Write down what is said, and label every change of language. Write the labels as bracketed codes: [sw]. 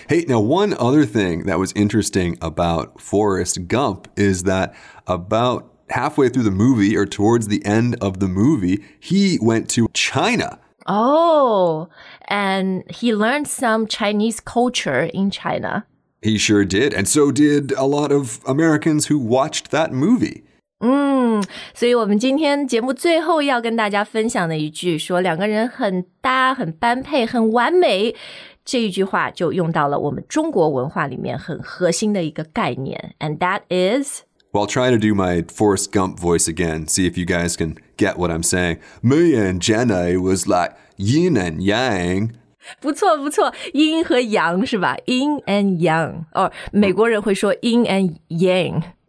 [en] Hey, now one other thing that was interesting about Forrest Gump is that about halfway through the movie or towards the end of the movie, he went to China. Oh, and he learned some Chinese culture in China. He sure did, and so did a lot of Americans who watched that movie. [zh] 所以我们今天节目最后要跟大家分享的一句，说两个人很搭、很般配、很完美，这一句话就用到了我们中国文化里面很核心的一个概念。 [en] And that is... Well, I'll try to do my Forrest Gump voice again, see if you guys can get what I'm saying. Me and Jenny was like yin and yang... [zh] 不错不错，阴和阳是吧 ？Yin and Yang， 哦，美国人会说 Yin and Yang。